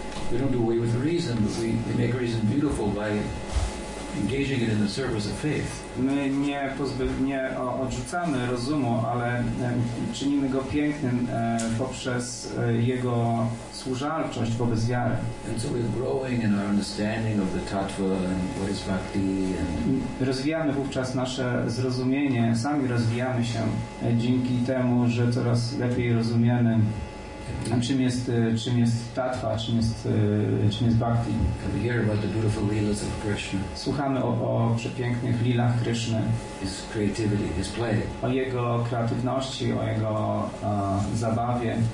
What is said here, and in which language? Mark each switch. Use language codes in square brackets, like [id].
[en] We don't do away with reason, but we make reason beautiful by engaging it in the service of faith. [pl] My nie odrzucamy rozumu, ale czynimy go pięknym poprzez jego służalczość wobec wiary. [en] And so we're growing in our understanding of the tattva and what is bhakti. [pl] Rozwijamy wówczas nasze zrozumienie, sami rozwijamy się dzięki temu, że coraz lepiej rozumiemy, czym jest tattwa, czym jest bhakti. [en] And we hear about the beautiful lilas of Krishna. [pl] Słuchamy o przepięknych lilach Kryszny. [en] His creativity, his play. [pl] O jego kreatywności, o jego zabawie.